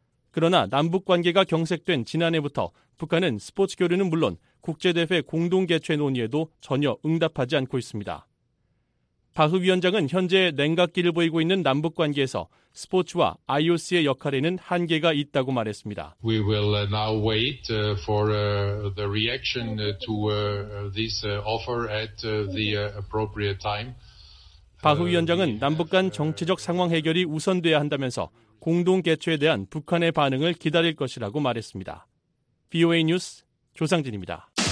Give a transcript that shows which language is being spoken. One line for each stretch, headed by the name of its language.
Korean: 그러나 남북관계가 경색된 지난해부터 북한은 스포츠 교류는 물론 국제대회 공동개최 논의에도 전혀 응답하지 않고 있습니다. 바흐 위원장은 현재 냉각기를 보이고 있는 남북관계에서 스포츠와 IOC의 역할에는 한계가 있다고 말했습니다.
English: We will now wait for the reaction to this offer at the appropriate time.
Korean: 바흐 위원장은 남북 간 정치적 상황 해결이 우선돼야 한다면서 공동 개최에 대한 북한의 반응을 기다릴 것이라고 말했습니다. VOA 뉴스 조상진입니다.